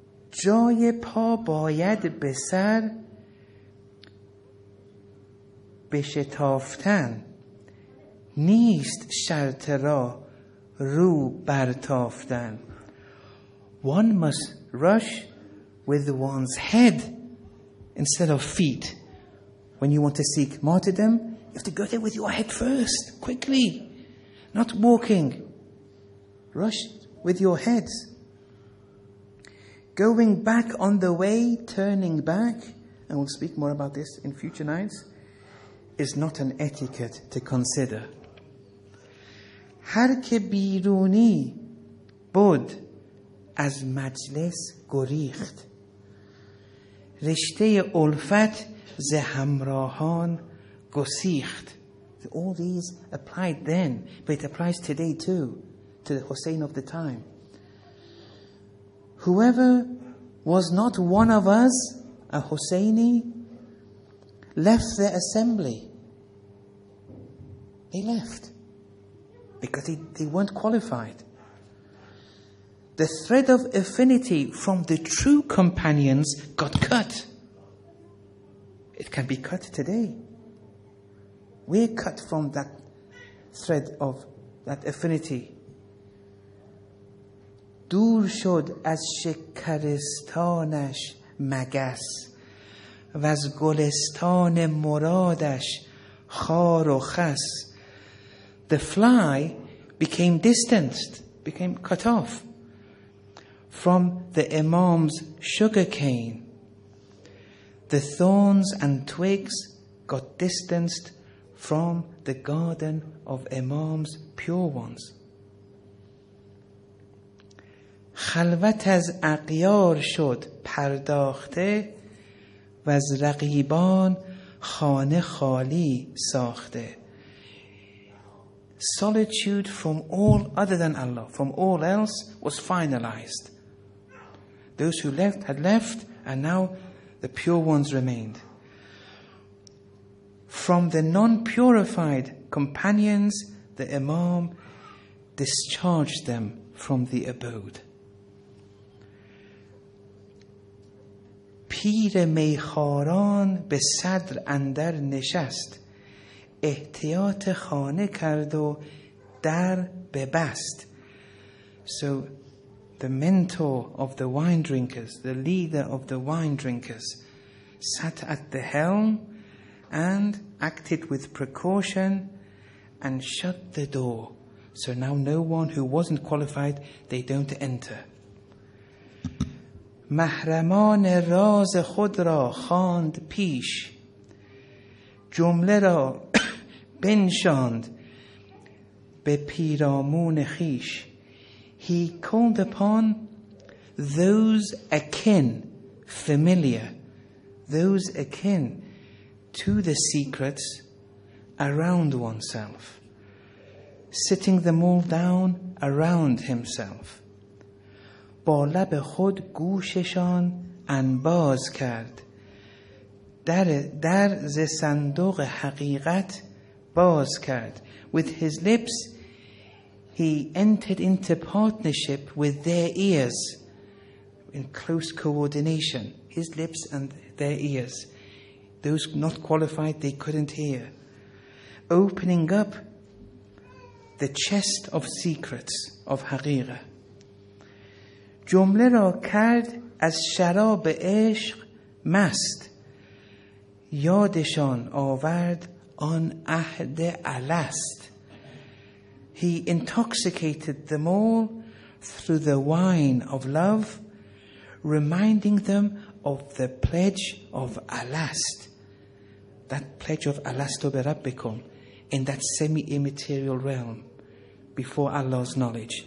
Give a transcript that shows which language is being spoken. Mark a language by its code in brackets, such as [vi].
[fa] جای پا باید به سر بشتافتن نیست شرط را رو برتافتن. [en] One must rush with one's head instead of feet. When you want to seek martyrdom, you have to go there with your head first, quickly, not walking. Rush with your heads. Going back on the way, turning back, and we'll speak more about this in future nights, is not an etiquette to consider. [fa] هر که بیرونی بود از مجلس گریخت رشته الفت ز همراهان گسیخت. [en] All these applied then, but it applies today too, to the Hussein of the time. Whoever was not one of us, a Husseini, left the assembly. They left because they weren't qualified. The thread of affinity from the true companions got cut. It can be cut today. We're cut from that thread of that affinity. [fa] دور شد از شکرستانش مگس و از گلستان مرادش خار و خس. [en] The fly became distanced, became cut off from the imam's sugar cane. The thorns and twigs got distanced from the garden of imam's pure ones. [fa] خلوت از اقیار شد پرداخته و از رقیبان خانه خالی ساخته. [en] Solitude from all other than Allah, from all else, was finalized. Those who left had left, and now the pure ones remained. From the non-purified companions, the Imam discharged them from the abode. [fa] پیر میخاران به صدر اندر نشست احتیاط خانه کرد و در ببست. [en] So the mentor of the wine drinkers, the leader of the wine drinkers, sat at the helm and acted with precaution and shut the door. So now no one who wasn't qualified, they don't enter. [fa] محرمان راز خود را خواند پیش جمله را بنشاند به پیرامون خیش. [en] He called upon those akin, familiar, those akin to the secrets around oneself, sitting them all down around himself. [fa] با لب خود گوششان انباز کرد در ز صندوق حقیقت باز کرد. [en] With his lips he entered into partnership with their ears, in close coordination, his lips and their ears. Those not qualified, they couldn't hear. Opening up the chest of secrets of حقیقه. [fa] جمله را کرد از شراب عشق مست یادشان آورد آن عهد الست. [en] He intoxicated them all through the wine of love, reminding them of the pledge of Alast, that pledge of [ar] Alasto Berabbikum, [en] in that semi-immaterial realm before Allah's knowledge.